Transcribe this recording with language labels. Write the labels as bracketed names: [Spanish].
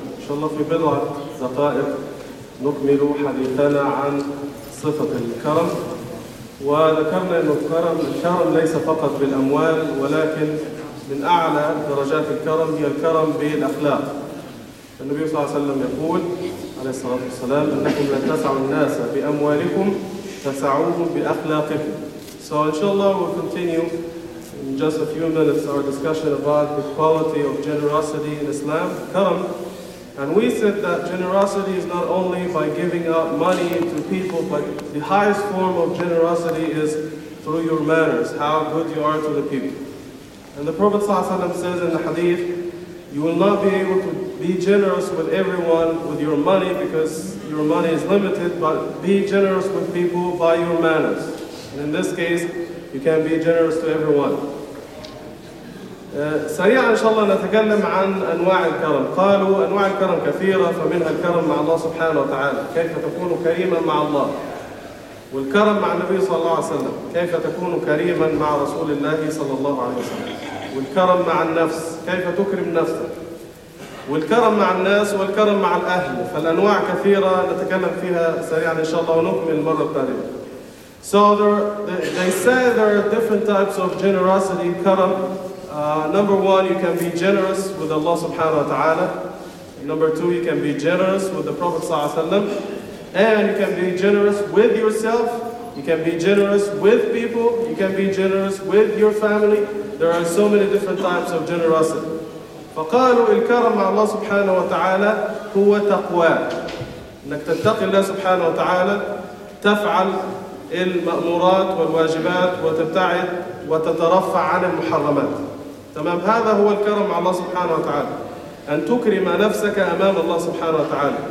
[Arabic] إن شاء الله في بضعة دقائق نكمل حديثنا عن صفة الكرم، وذكرنا أن الكرم ليس فقط بالأموال، ولكن من أعلى درجات الكرم هي الكرم بالأخلاق. النبي صلى الله عليه وسلم يقول عليه الصلاة والسلام: أنكم لن تسعوا الناس بأموالكم، تسعوهم بأخلاقكم. [English] So inshallah we'll continue in just a few minutes our discussion about the quality of generosity in Islam, karam. And we said that generosity is not only by giving out money to people, but the highest form of generosity is through your manners, how good you are to the people. And the Prophet ﷺ says in the hadith, you will not be able to be generous with everyone with your money because your money is limited, but be generous with people by your manners. And in this case, you can be generous to everyone. [Arabic] سريعا إن شاء الله نتكلم عن أنواع الكرم. قالوا أنواع الكرم كثيرة، فمنها الكرم مع الله سبحانه وتعالى، كيف تكون كريما مع الله، والكرم مع النبي صلى الله عليه وسلم، كيف تكون كريما مع رسول الله صلى الله عليه وسلم، والكرم مع النفس، كيف تكرم نفسك، والكرم مع الناس، والكرم مع الأهل. فالأنواع كثيرة، نتكلم فيها سريعا إن شاء الله ونكمل المرة التالية. [English] So they say there are different types of generosity, karam. Number one, you can be generous with Allah subhanahu wa ta'ala. Number two, you can be generous with the Prophet sallallahu alayhi wa sallam. And you can be generous with yourself. You can be generous with people. You can be generous with your family. There are so many different types of generosity. [Arabic] فقالوا الكرم مع الله سبحانه وتعالى هو تقوى. أنك تتقي الله سبحانه وتعالى، تفعل المأمورات والواجبات وتبتعد وتترفع عن المحرمات. تمام، هذا هو الكرم مع الله سبحانه وتعالى، أن تكرم نفسك أمام الله سبحانه وتعالى.